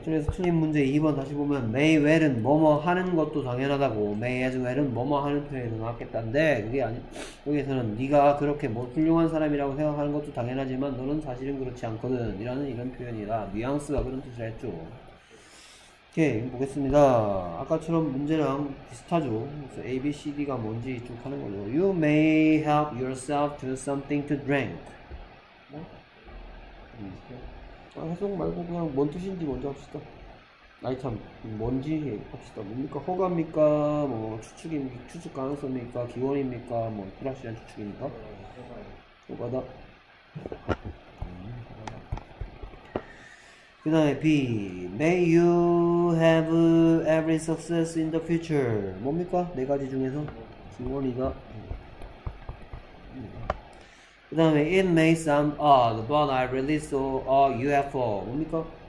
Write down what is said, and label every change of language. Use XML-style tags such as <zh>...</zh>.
<ko>그래서 튜닝 문제 2번 다시 보면 may well은 뭐뭐 하는 것도 당연하다고 may as well은 뭐뭐 하는 표현이 맞겠단데 그게 아니 여기에서는 네가 그렇게 뭐 훌륭한 사람이라고 생각하는 것도 당연하지만 너는 사실은 그렇지 않거든 이라는 이런 표현이라 뉘앙스가 그런 뜻을 했죠. 오케이. 보겠습니다. 아까처럼 문제랑 비슷하죠. 그래서 A, B, C, D가 뭔지 쭉 하는 거죠.</ko> <en>You may help yourself to something to drink.</en> <ko>아, 해석 말고 그냥 뭔 뜻인지 먼저 합시다. 아니 참, 뭔지 합시다. 뭡니까? 허가입니까? 뭐 추측입니까? 추측 가능성입니까? 기원입니까? 뭐 불확실한 추측입니까? 허가다. 그 다음에 B.</ko> <en>May you have every success in the future.</en> <ko>뭡니까? 네 가지 중에서 기원이다.</ko> <en>그 다음에 It may sound odd, but I really saw a UFO.</en> <ko>뭡니까?</ko>